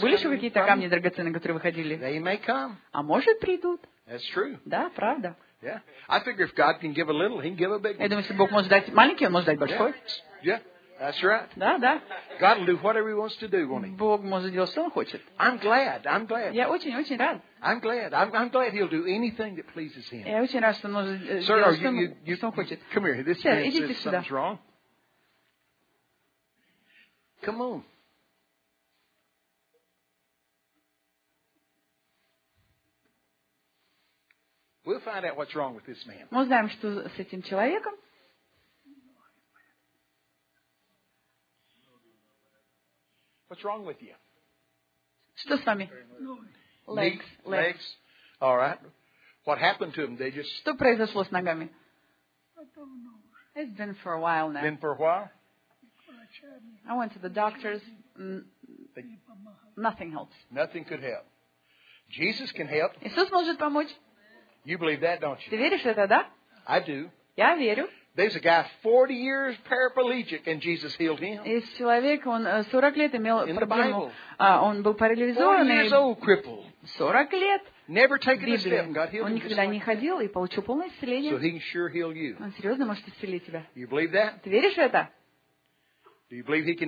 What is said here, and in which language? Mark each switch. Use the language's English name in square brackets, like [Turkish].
[Russian] Были еще какие-то камни драгоценные, которые выходили? [English] They may come. [Russian] А может, придут. [English] That's true. [Russian] Да, правда. [English] Yeah. I figure if God can give a little, he can give a big one. [Russian] Я думаю, если Бог может дать маленький, он может дать большой. [English] Yeah. That's right. [Russian] Да, да. [English] God will do whatever He wants to do, won't He? [Russian] Бог может делать, что Он хочет. [English] I'm glad. [Russian] Я очень рад. [English] I'm glad He'll do anything that pleases Him. [Russian] Я очень рад, что Он может делать, что Он хочет. [English] Come here. This man says something's wrong. Come on. We'll find out what's wrong with this man. [Russian] Мы узнаем, что с этим человеком. [English] What's wrong with you? [Russian] Что с вами? [English] Legs. Legs. All right. What happened to him? They just. [Russian] Что произошло с ногами? [English] I don't know. It's been for a while now. Been for a while? I went to the doctors. Nothing helps. Nothing could help. Jesus can help. [Russian] Иисус может помочь. [English] You believe that, don't you? [Russian] Ты веришь в это, да? [English] I do. [Russian] Я верю. [English] There's a guy 40 years paraplegic and Jesus healed him. [Russian] Есть человек, он 40 лет имел проблему. А он был парализованный. [English] 40 years old, crippled. [Russian] 40 лет. [English] Never taken a step, God healed him. [Russian] Он никогда не ходил и получил полное исцеление. [English] So he can sure heal you. [Russian] Он серьезно может исцелить тебя. [English] You believe that? [Russian] Ты веришь в это? [English] Do you believe he can